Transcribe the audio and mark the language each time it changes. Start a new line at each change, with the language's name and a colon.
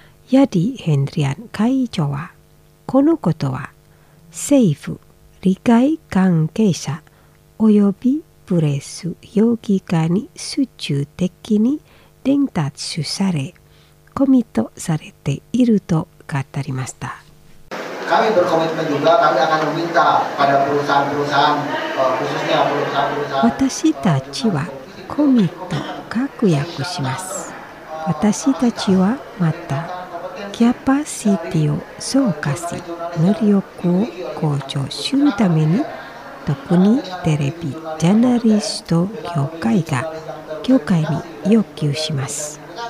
Japanese: ヤディ・ヘンドリアン会長はこのことは政府利害関係者およびプレス評議会に集中的に伝達されコミットされていると語りました。
Indonesian: Kami berkomitmen juga kami akan meminta pada perusahaan-perusahaan khususnya perusahaan-perusahaan
Japanese: 私たちはコミット確約します。私たちはまたキャパシティを増加し能力を向上するために特にテレビジャーナリスト協会が協会に要求します。